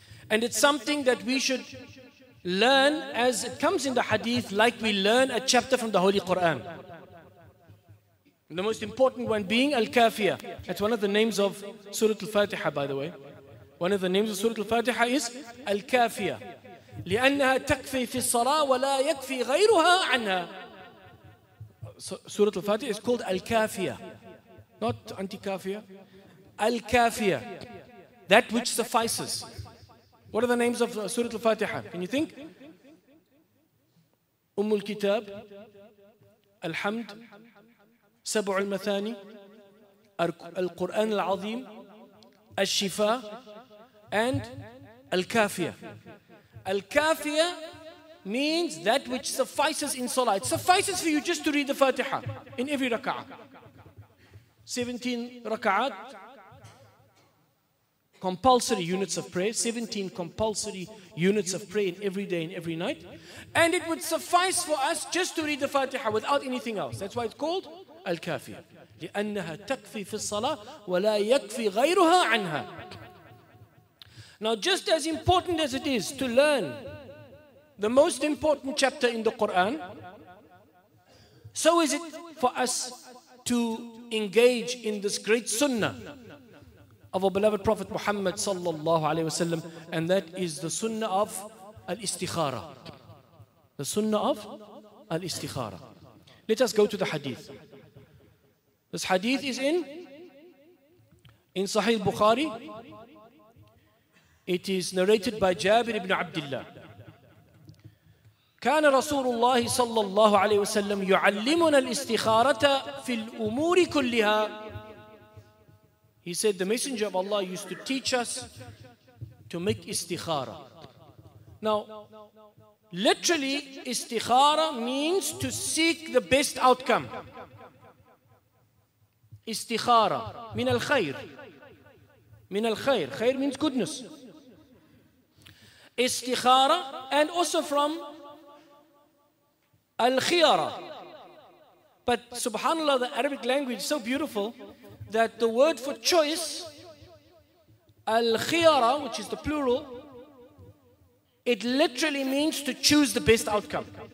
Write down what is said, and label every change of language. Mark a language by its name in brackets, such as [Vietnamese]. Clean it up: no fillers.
[English] And it's something that we should learn as it comes in the hadith, like we learn a chapter from the Holy Quran. The most important one being Al-Kafiyah. That's one of the names of Surah Al-Fatiha, by the way. One of the names of Surah Al-Fatiha is Al-Kafiyah. [Arabic] لأنها تكفي في الصلاة ولا يكفي غيرها عنها. [English] Surah Al-Fatiha is called Al-Kafiyah, not Anti-Kafiyah. Al-Kafiyah, that which suffices. What are the names of Surah Al-Fatiha? Can you think? Ummul Kitab, Alhamd, Sabu Al-Mathani, Al-Quran Al-Azim, Al-Shifa, and Al-Kafiyah. Al-Kafiyah means that which suffices in salah. It suffices for you just to read the Fatiha in every raka'ah. 17 raka'at, compulsory units of prayer. 17 compulsory units of prayer in every day and every night. And it would suffice for us just to read the Fatiha without anything else. That's why it's called Al-Kafiyah. [Arabic] لأنها تكفي في الصلاة ولا يكفي غيرها عنها. [English] Now just as important as it is to learn the most important chapter in the Quran, so is it for us to engage in this great sunnah of our beloved Prophet Muhammad sallallahu alayhi wa sallam, and that is the sunnah of al-istikhara. The sunnah of al-istikhara. Let us go to the hadith. This hadith is in Sahih Bukhari. It is narrated by Jabir ibn Abdullah. [Arabic] كان رسول الله صلى الله عليه وسلم يعلمنا الاستخارة في الأمور كلها. [English] He said the messenger of Allah used to teach us to make istikhara. Now, literally, istikhara means to seek the best outcome. [Arabic] Istikhara, من الخير. من الخير. [English] خير means goodness. Istikhara, and also from Al-Khiyara. But subhanAllah, the Arabic language is so beautiful that the word for choice, Al-Khiyara, which is the plural, it literally means to choose the best outcome.